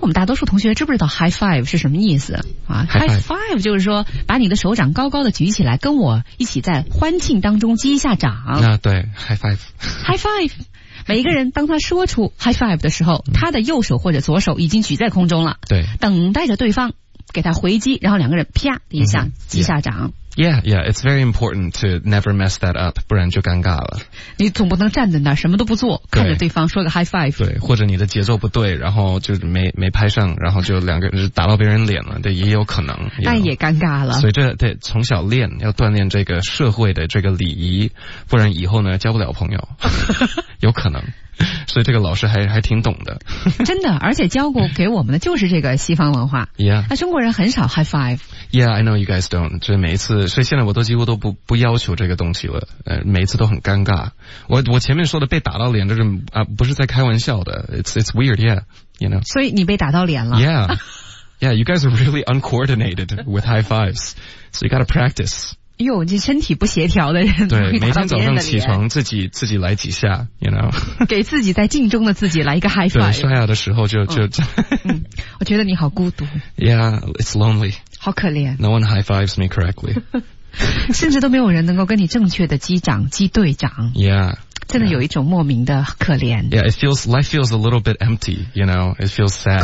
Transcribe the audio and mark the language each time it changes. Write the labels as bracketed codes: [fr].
[zh] 我们大多数同学知不知道 high five 是什么意思啊 ？High five 就是说把你的手掌高高的举起来，跟我一起在欢庆当中击一下掌。啊，对 ，high five。 High five。 每一个人当他说出 high five 的时候，他的右手或者左手已经举在空中了，对，等待着对方给他回击，然后两个人啪一下击下掌。 [en] Yeah, yeah, it's very important to never mess that up, [zh] 不然就尴尬了。你总不能站在那儿什么都不做，看着对方说个 high five。对，或者你的节奏不对，然后就没拍上，然后就两个人打到别人脸了，对，也有可能。但也尴尬了。所以这得从小练，要锻炼这个社会的这个礼仪，不然以后呢交不了朋友，有可能。所以这个老师还挺懂的。真的，而且教过给我们的就是这个西方文化。 [en] Yeah。 [zh] 那中国人很少 high five。 [en] Yeah, I know you guys don't. [zh] 所以每一次，所以现在我都几乎都不要求这个东西了。每一次都很尴尬。我前面说的被打到脸，这是不是在开玩笑的。 [en] It's weird, yeah, you know。 [zh] 所以你被打到脸了。 [en] Yeah. Yeah, you guys are really uncoordinated with high fives. So you gotta practice. [zh] 哟，这身体不协调的人，对，每天早上起床自己来几下 ， [en] you know， [zh] 给自己在镜中的自己来一个 high five。对，刷牙的时候就、我觉得你好孤独。 [en] Yeah, it's lonely。 [zh] 好可怜。 [en] No one high fives me correctly。 [zh] 甚至都没有人能够跟你正确的击掌击对掌。 [en] Yeah。 [zh] 真的有一种莫名的可怜。 [en] Yeah, life feels a little bit empty, you know, it feels sad.